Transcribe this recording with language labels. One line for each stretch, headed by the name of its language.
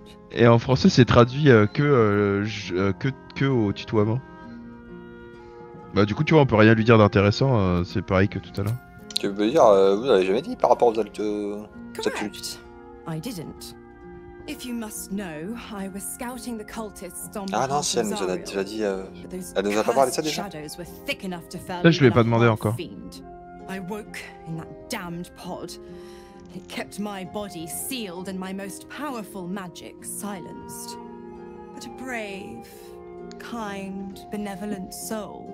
French: Et en français, c'est traduit que au tutoiement. Bah du coup tu vois on peut rien lui dire d'intéressant, c'est pareil que tout à l'heure. Tu veux dire, vous n'avez jamais dit par rapport aux altes...
English: Correct. I didn't. If you must know, I was scouting the cultists on...
French: Ah non, si elle nous en a déjà dit... elle nous a pas parlé de ça déjà. Ça je lui ai pas demandé encore.
English: I woke in that damned pod. It kept my body sealed and my most powerful magic silenced. But a brave... kind, benevolent soul.